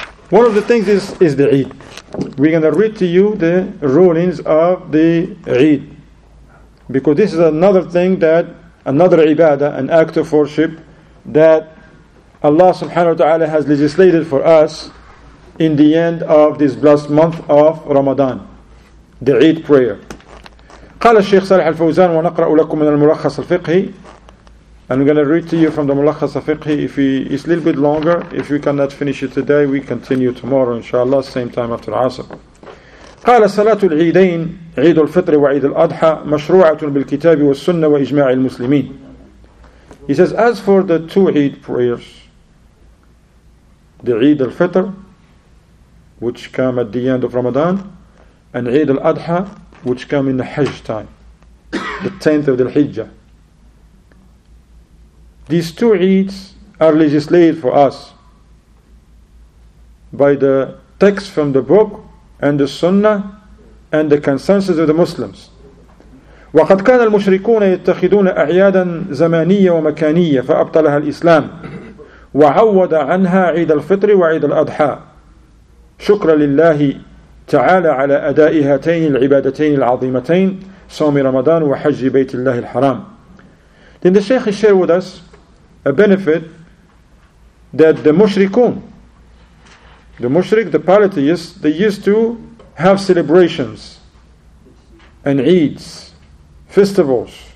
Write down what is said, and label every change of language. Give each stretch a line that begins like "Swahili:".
English: One of the things is the Eid. We're going to read to you the rulings of the Eid. Because this is another thing that, another ibadah, an act of worship, that Allah subhanahu wa ta'ala has legislated for us in the end of this blessed month of Ramadan. The Eid prayer.
Arabic: قال الشيخ صالح الفوزان ونقرأ لكم من الملخص الفقهي.
English: I'm going to read to you from the ملخص الفقهي. If it's a little bit longer, if we cannot finish it today, we continue tomorrow, inshallah, same time after العصر.
Arabic: قال صلاة العيدين عيد الفطر وعيد الأضحى مشروعة بالكتاب والسنة وإجماع المسلمين.
English: He says, as for the two Eid prayers, the Eid al-Fitr, which come at the end of Ramadan, and Eid al-Adha, which come in the Hajj time, the 10th of the Hijjah. These two Eids are legislated for us by the text from the book and the Sunnah and the consensus of the Muslims.
Arabic: وقد كان المشركون يتخذون أعيادا زمانية ومكانية فأبطلها الإسلام وعوض عنها عيد الفطر وعيد الأضحى شكرا لله تعالى على أداء هاتين العبادتين العظيمتين صوم رمضان وحج بيت الله الحرام.
English: Then the Sheikh shared with us a benefit that the mushrik, the polytheists, they used to have celebrations and Eids, festivals.